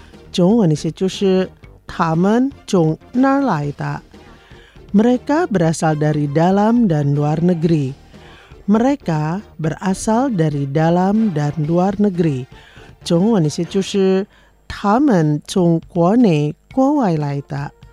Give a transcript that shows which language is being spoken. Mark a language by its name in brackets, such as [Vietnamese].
[Chinese] 中文意思就是他们从哪来的。 [Indonesian] Mereka berasal dari dalam dan luar negeri. Mereka berasal dari dalam dan luar negeri. [Chinese] 中文意思就是他们从国内国外来的。